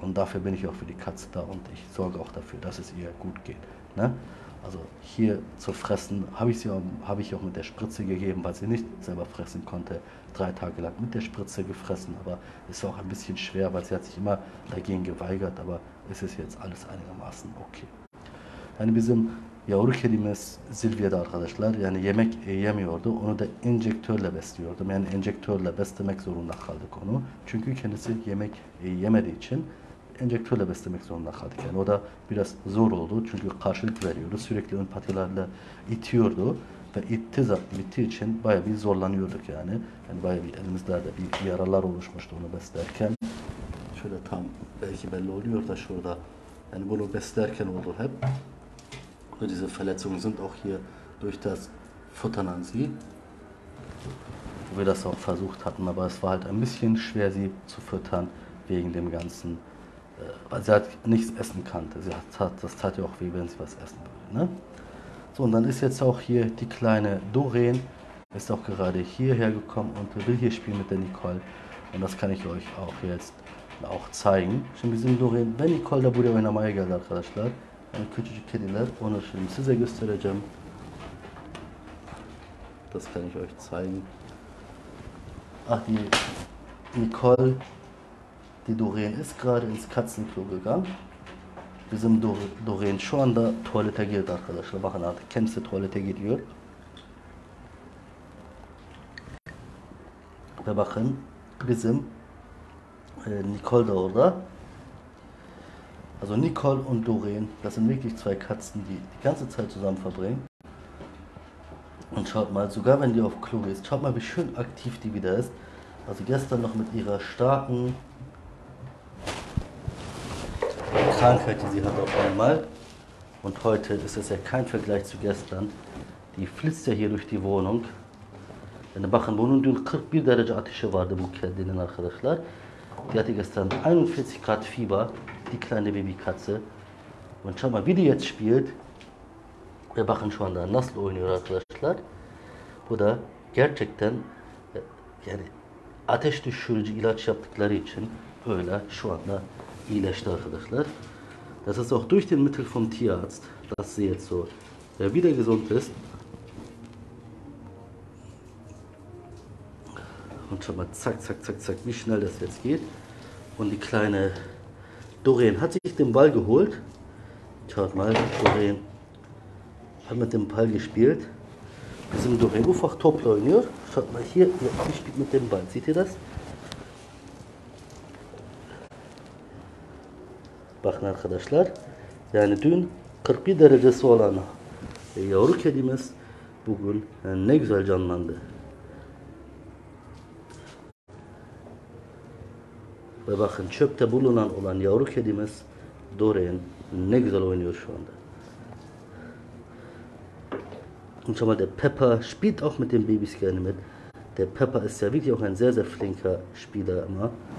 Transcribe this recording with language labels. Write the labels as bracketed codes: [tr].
[de] Und dafür bin ich auch für die Katze da und ich sorge auch dafür, dass es ihr gut geht. Ne? Also hier zu fressen habe ich auch mit der Spritze gegeben, weil sie nicht selber fressen konnte. 3 Tage lang mit der Spritze gefressen, aber es war auch ein bisschen schwer, weil sie hat sich immer dagegen geweigert. Aber es ist jetzt alles einigermaßen okay. [tr] Yani bizim yavru kedimiz Silvia'da arkadaşlar yani yemek yemiyordu. Onu da enjektörle besliyordum. Yani enjektörle beslemek zorunda kaldık onu. Çünkü kendisi yemek yemediği için enjektörle beslemek zorunda kaldık. Yani o da biraz zor oldu. Çünkü karşılık veriyordu. Sürekli ön patilerle itiyordu. Ve bittiği için bayağı bir zorlanıyorduk yani. Yani bayağı bir elimizde bir yaralar oluşmuştu onu beslerken. Şöyle tam belki belli oluyor da şurada. Yani bunu beslerken oldu hep. [de] Und diese Verletzungen sind auch hier durch das Futtern an sie. Wo wir das auch versucht hatten, aber es war halt ein bisschen schwer, sie zu füttern, wegen dem Ganzen. Weil sie halt nichts essen konnte. Das tat ja auch weh, wenn sie was essen würde. Ne? So, und dann ist jetzt auch hier die kleine Doreen, ist auch gerade hierher gekommen und will hier spielen mit der Nicole. Und das kann ich euch auch jetzt auch zeigen. [tr] Şimdi bizim Doreen, wenn Nicole da buraya oynamaya geldi arkadaşlar. Yani küçücük kediler. Onu şimdi size göstereceğim. [de] Das kann ich euch zeigen. Ach, die Nicole, die Doreen ist gerade ins Katzenklo gegangen. [tr] Bizim Doreen şu anda tuvalete girdi arkadaşlar. Bakın artık kendisi tuvalete gidiyor. Ve bakın bizim Nicole da orada. [de] Also Nicole und Doreen, das sind wirklich zwei Katzen, die ganze Zeit zusammen verbringen. Und schaut mal, sogar wenn die auf Klo ist, schaut mal, wie schön aktiv die wieder ist. Also gestern noch mit ihrer starken Krankheit, die sie hat auf einmal. Und heute ist es ja kein Vergleich zu gestern. Die flitzt ja hier durch die Wohnung. [tr] Yani bakın bunun dün 41 derece ateşi vardı bu kedinin arkadaşlar. [de] Die hatte gestern 41 Grad Fieber. Die kleine Babykatze. Und schau mal, wie die jetzt spielt. Wir machen schon da nass oynuyor arkadaşlar. [tr] Bu da gerçekten yani ateş düşürücü ilaç yaptıkları için öyle şu anda iyileşti arkadaşlar. [de] Das ist auch durch den Mittel vom Tierarzt, dass sie jetzt so wieder gesund ist. Und schau mal, zack, zack, zack, zack, wie schnell das jetzt geht. Und die kleine Doreen hat sich den Ball geholt. Schaut mal, Doreen hat mit dem Ball gespielt. Wir sind Doreen einfach top oynuyor. Schaut mal hier, sie spielt mit dem Ball. Seht ihr das? [tr] Bakın arkadaşlar. Yani dün 41 derecesi olan yavru kedimiz bugün yani ne güzel canlandı. Ve bakın çöpte bulunan olan yavru kedimiz Doreen ne güzel oynuyor şu anda. [de] Und schau mal, der Pepper spielt auch mit den Babys gerne mit. Der Pepper ist ja wirklich auch ein sehr, sehr flinker Spieler immer.